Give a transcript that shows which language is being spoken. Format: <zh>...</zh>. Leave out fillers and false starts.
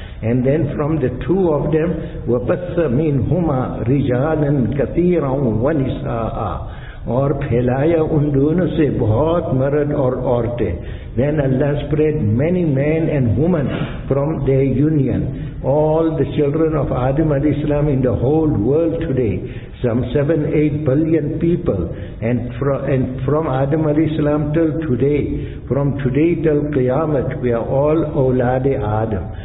<en>And then from the two of them,</en> <ar>وَبَثَّ مِنْهُمَا رِجَالًا كَثِيرًا وَنِسَاءً.</ar> <ur>اور پھیلایا ان دونوں سے بہت مرد اور عورتیں.</ur> <en>Then Allah spread many men and women from their union. All the children of Adam alayhi salam in the whole world today, some 7-8 billion people, and from Adam alayhi salam till today, from today till Qiyamah, we are all Aulade Adam.</en>